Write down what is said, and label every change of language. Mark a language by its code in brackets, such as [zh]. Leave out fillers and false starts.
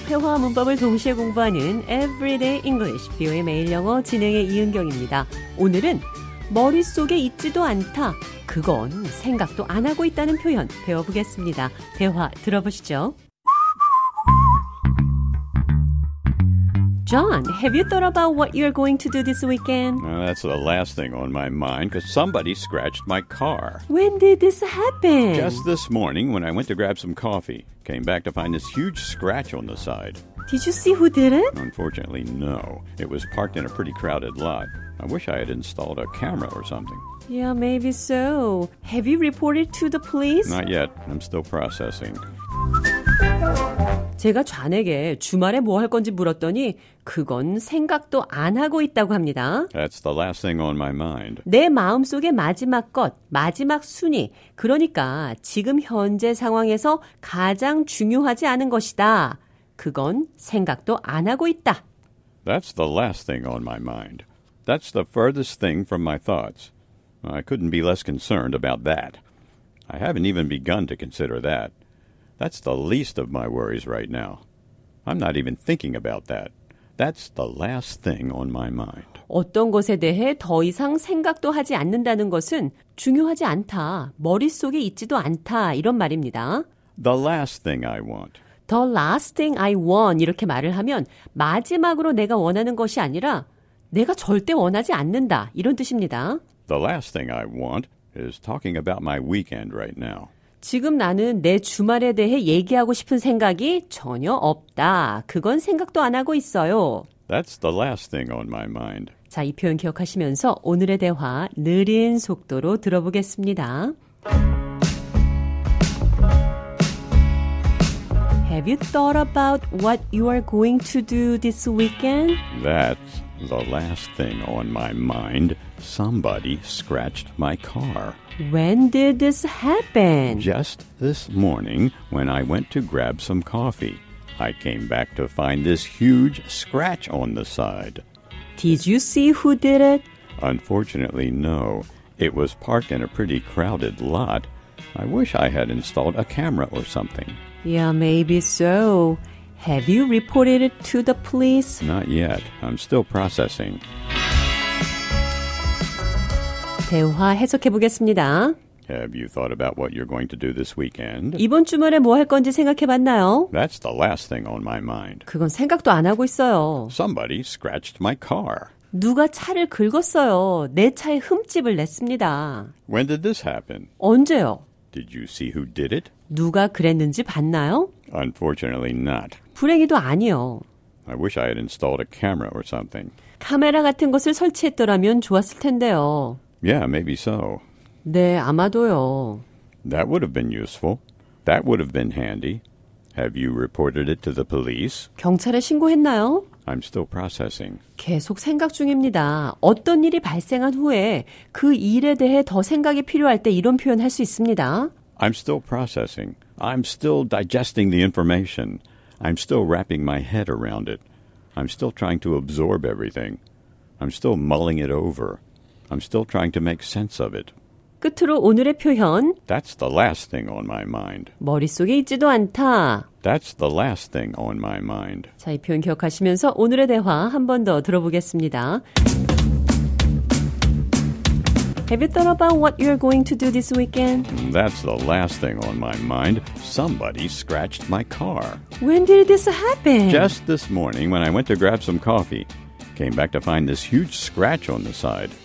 [ko] 회화 문법을 동시에 공부하는 Everyday English, 비오의 매일 영어 진행의 이은경입니다. 오늘은 머릿속에 있지도 않다, 그건 생각도 안 하고 있다는 표현 배워보겠습니다. 대화 들어보시죠. [en] John, have you thought about what you're going to do this weekend? That's the last thing on my mind because somebody scratched my car. When did this happen? Just this morning when I went to grab some coffee. Came back to find this huge scratch on the side. Did you see who did it? Unfortunately, no. It was parked in a pretty crowded lot. I wish I had installed a camera or something. Yeah, maybe so. Have you reported to the police? Not yet. I'm still processing. [ko] 제가 존에게 주말에 뭐 할 건지 물었더니 그건 생각도 안 하고 있다고 합니다. [en] That's the last thing on my mind. [ko] 내 마음 속의 마지막 것, 마지막 순위, 그러니까 지금 현재 상황에서 가장 중요하지 않은 것이다. 그건 생각도 안 하고 있다. [en] That's the last thing on my mind. That's the furthest thing from my thoughts. I couldn't be less concerned about that. I haven't even begun to consider that. That's the least of my worries right now. I'm not even thinking about that. That's the last thing on my mind. [ko] 어떤 것에 대해 더 이상 생각도 하지 않는다는 것은 중요하지 않다, 머릿속에 있지도 않다, 이런 말입니다. [en] The last thing I want. The last thing I want. [ko] 이렇게 말을 하면 마지막으로 내가 원하는 것이 아니라 내가 절대 원하지 않는다, 이런 뜻입니다. [en] The last thing I want is talking about my weekend right now. [ko] 지금 나는 내 주말에 대해 얘기하고 싶은 생각이 전혀 없다. 그건 생각도 안 하고 있어요. [en] That's the last thing on my mind. [ko] 자, 이 표현 기억하시면서 오늘의 대화 느린 속도로 들어보겠습니다. [en] Have you thought about what you are going to do this weekend? That's the last thing on my mind. Somebody scratched my car. When did this happen? Just this morning when I went to grab some coffee. I came back to find this huge scratch on the side. Did you see who did it? Unfortunately, no. It was parked in a pretty crowded lot. I wish I had installed a camera or something. Yeah, maybe so. Have you reported it to the police? Not yet. I'm still processing. [ko] 대화 해석해 보겠습니다. [en] Have you thought about what you're going to do this weekend? [ko] 이번 주말에 뭐 할 건지 생각해 봤나요? [en] That's the last thing on my mind. [ko] 그건 생각도 안 하고 있어요. [en] Somebody scratched my car. [ko] 누가 차를 긁었어요. 내 차에 흠집을 냈습니다. [en] When did this happen? [ko] 언제요? [en] Did you see who did it? [ko] 누가 그랬는지 봤나요? [en] Unfortunately not. [ko] 불행히도 아니요. [en] I wish I had installed a camera or something. [ko] 카메라 같은 것을 설치했더라면 좋았을 텐데요. [en] Yeah, maybe so. [ko] 네, 아마도요. [en] That would have been useful. That would have been handy. Have you reported it to the police? [ko] 경찰에 신고했나요? [en] I'm still processing. [ko] 계속 생각 중입니다. 어떤 일이 발생한 후에 그 일에 대해 더 생각이 필요할 때 이런 표현 할 수 있습니다. [en] I'm still processing. I'm still digesting the information. I'm still wrapping my head around it. I'm still trying to absorb everything. I'm still mulling it over. I'm still trying to make sense of it. [ko] 끝으로 오늘의 표현. [en] That's the last thing on my mind. [ko] 머릿속에 있지도 않다. [en] That's the last thing on my mind. [ko] 자, 이 표현 기억하시면서 오늘의 대화 한 번 더 들어보겠습니다. [en] Have you thought about what you're going to do this weekend? That's the last thing on my mind. Somebody scratched my car. When did this happen? Just this morning when I went to grab some coffee. Came back to find this huge scratch on the side.